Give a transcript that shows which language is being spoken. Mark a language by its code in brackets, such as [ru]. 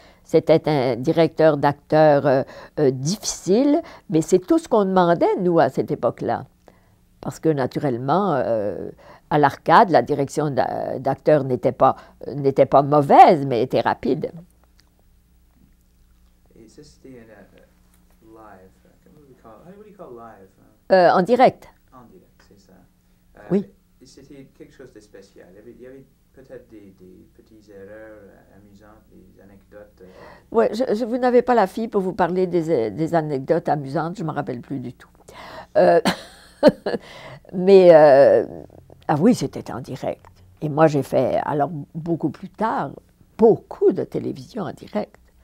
[fr] C'était un directeur d'acteur difficile, mais c'est tout ce qu'on demandait, nous, à cette époque-là. Parce que, naturellement, à l'Arcade, la direction d'acteur n'était pas mauvaise, mais était rapide. [en] consisted in a live, what do you call live? [fr] En direct. En direct, c'est ça. Oui. C'était quelque chose de spécial. Il y avait peut-être des petites erreurs amusantes, des anecdotes. Oui, vous n'avez pas la fille pour vous parler des anecdotes amusantes, je ne me rappelle plus du tout. Mais c'était en direct. Et moi, j'ai fait, alors beaucoup plus tard, beaucoup de télévision en direct.